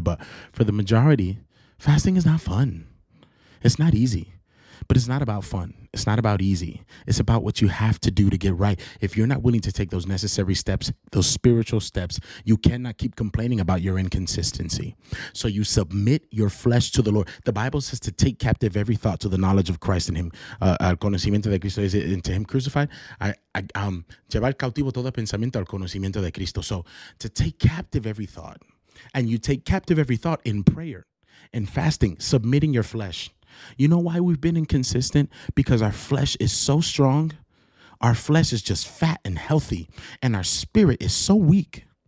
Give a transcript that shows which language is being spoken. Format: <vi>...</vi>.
<en>But for the majority, fasting is not fun. It's not easy, but it's not about fun. It's not about easy. It's about what you have to do to get right. If you're not willing to take those necessary steps, those spiritual steps, you cannot keep complaining about your inconsistency. So you submit your flesh to the Lord. The Bible says to take captive every thought to the knowledge of Christ and him.</en> <es>Al conocimiento de Cristo,</es> <en>is it into him crucified?</en> <es>Llevar cautivo todo pensamiento al conocimiento de Cristo.</es> <en>So to take captive every thought, and you take captive every thought in prayer and fasting, submitting your flesh. You know why we've been inconsistent? Because our flesh is so strong. Our flesh is just fat and healthy. And our spirit is so weak.</en>